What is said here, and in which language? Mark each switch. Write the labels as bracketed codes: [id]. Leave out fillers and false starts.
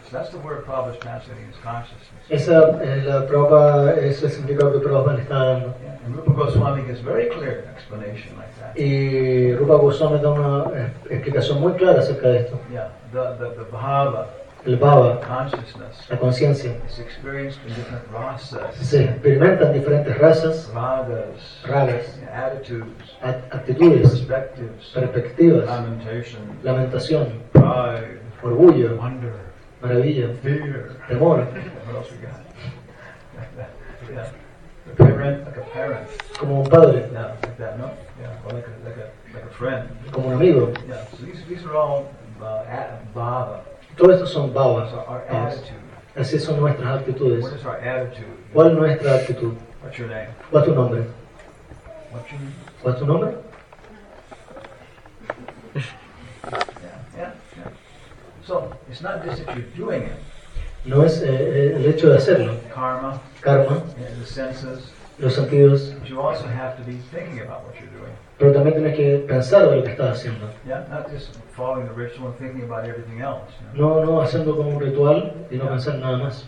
[en] So that's the word Prabhupada is translating as consciousness. [es] Esa la Prabhupada es el significado que Prabhupada está dando. [en] And Rupa Goswami gives very clear explanation like that. [es] Y Rupa Goswami da una explicación muy clara acerca de esto. [en] Yeah, the bhava. [es] El bhava. [en] Consciousness. [es] La conciencia. [en] Is experienced in different rasas. [es] Se experimenta en diferentes razas. [en] Ragas. [es] Ragas. [en] Attitudes. [es] Actitudes. [en] Perspectives. [es] Perspectivas. [en] Lamentation. [es] Lamentación. [en] Pride. [es] Orgullo. [en] Wonder. [es] Maravilla. [en] Fear. [es] Temor. [en] What else we got? A parent, like a parent. [es] Como un padre. [en] Yeah, like that, no? Yeah, or like a friend. [es] Como un amigo. [en] Yeah, so these are all bhava. [es] Todos estos son bhavas. [en] So our attitude. [es] Así son nuestras actitudes. [en] What is our attitude? [es] ¿Cuál es nuestra actitud? [en] What's your name? [es] ¿Cuál es tu nombre? ¿Cuál es tu nombre? [en] Yeah. So, it's not just that you're doing it. [es] No es el hecho de hacerlo. [en] Karma. [es] Karma. [en] Yeah, the senses. [es] Los sentidos. [en] But you also have to be thinking about what you're doing. [es] Pero también tienes que pensar en lo que estás haciendo. [en] Yeah, not just following the ritual and thinking about everything else. You know? [es] No, haciendo como un ritual y no pensar nada más.